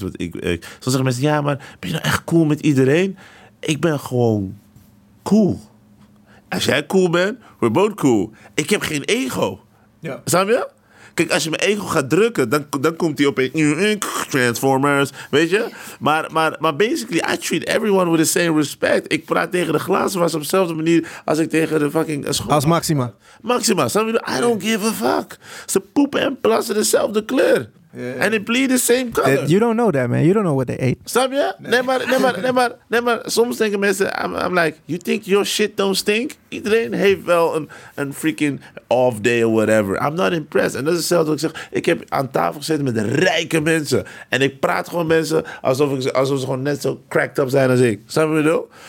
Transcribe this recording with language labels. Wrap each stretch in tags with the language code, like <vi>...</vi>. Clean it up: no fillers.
<nl>Want ik zal zeggen mensen, ja, maar ben je nou echt cool met iedereen? Ik ben gewoon cool. Als jij cool bent,</nl> <en>we're both cool.</en> <nl>Ik heb geen ego. Ja. Snap je? Kijk, als je mijn ego gaat drukken, dan komt hij opeens Transformers, weet je?</nl> <en>Maar basically, I treat everyone with the same respect.</en> <nl>Ik praat tegen de glazen was op dezelfde manier als ik tegen de fucking school. Als Maxima. Maxima, snap je?</nl> <en>I don't give a fuck.</en> <nl>Ze poepen en plassen dezelfde kleur.</nl> <en>Yeah. And it bleed the same color. You don't know that, man. You don't know what they ate.</en> <nl>Snap je? Nee, maar. Soms denken mensen,</nl> <en>I'm like, you think your shit don't stink?</en> <nl>Iedereen heeft wel een</nl> <en>freaking off day or whatever. I'm not impressed.</en> <nl>En dat is hetzelfde wat ik zeg. Ik heb aan tafel gezeten met de rijke mensen. En ik praat gewoon mensen alsof ze gewoon net zo</nl> <en>cracked up</en> <nl>zijn als ik. Snap je wat ik bedoel?</nl>